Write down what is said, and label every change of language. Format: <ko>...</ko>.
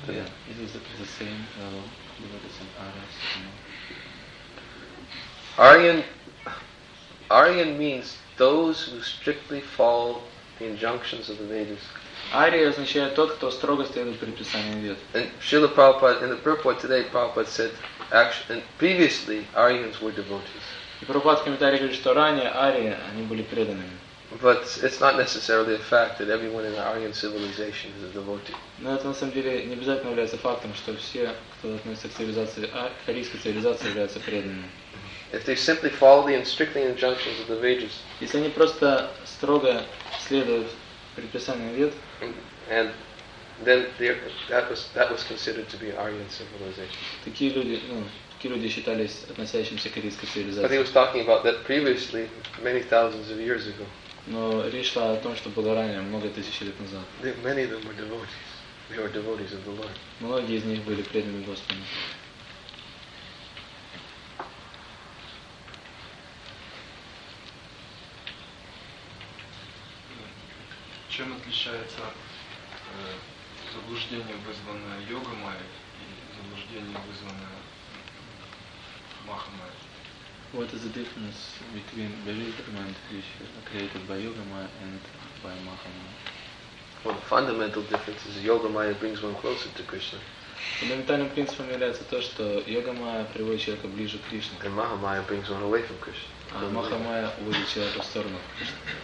<en>Yeah, it is the same level, devotees and Aryas. Aryan means those who strictly follow the injunctions of the Vedas.</en> <ru>Ария означает тот, кто строго следует предписаниям Вед.</ru> <en>And Srila Prabhupada, in the purport today, Prabhupada said, actually, and previously, Aryans were devotees.</en> <ru>И Прабхупад в комментарии говорит, что ранее арии, они были преданными.</ru> <en>But it's not necessarily a fact that everyone in the Aryan civilization is a devotee.</en> <ru>Но это на самом деле не обязательно является фактом, что все, кто относится к цивилизации, к арийской цивилизации, являются преданными.</ru> <en>If they simply follow the strictly injunctions of the Vedas,</en> <ru>если они просто строго следуют предписаниям Вед,</ru> <en>and then that was considered to be an Aryan civilization.</en> <ru>Такие люди считались относящимся к корейской цивилизации.</ru> <en>But he was talking about that previously, many thousands of years ago.</en> <ru>Но речь шла о том, что было ранее, много тысяч лет назад.</ru> <en>Many of them were devotees. They were devotees of the Lord.</en> <ru>Многие из них были преданными Господу. Чем отличается заблуждение, вызванное йога майя, и заблуждение, вызванное маха майя?</ru> <en>What is the difference between belief mind which is created by yoga maya and by maha maya? Well, the fundamental difference is yoga maya brings one closer to Krishna.</en> <ru>Фундаментальным принципом является то, что йога майя приводит человека ближе к Кришне.</ru> <en>And maha maya brings one away from Krishna.</en> <ru>А маха майя уводит человека в сторону от Кришны.</ru>